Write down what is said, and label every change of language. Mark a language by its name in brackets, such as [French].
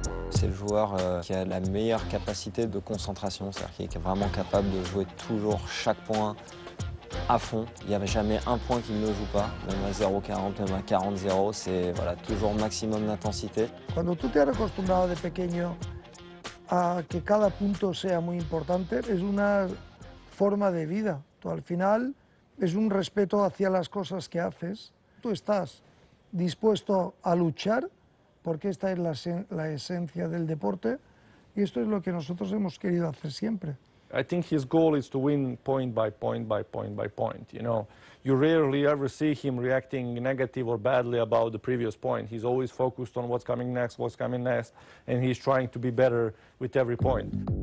[French] C'est le joueur qui a la meilleure capacité de concentration, c'est-à-dire qui est vraiment capable de jouer toujours chaque point à fond. Il n'y a jamais un point qu'il ne joue pas, même à 0-40, même à 40-0, c'est voilà, toujours maximum d'intensité. Quand tu t'es accostumé de [Spanish] pequeño à que cada punto sea muy importante, es una forma de vida. Tú al final es un respeto hacia las cosas que haces. Tú estás dispuesto a luchar. Porque esta es la esencia del deporte y esto es lo que nosotros hemos querido hacer siempre. [English] I think his goal is to win point by point by point by point, you know. You rarely ever see him reacting negative or badly about the previous point. He's always focused on what's coming next and he's trying to be better with every point.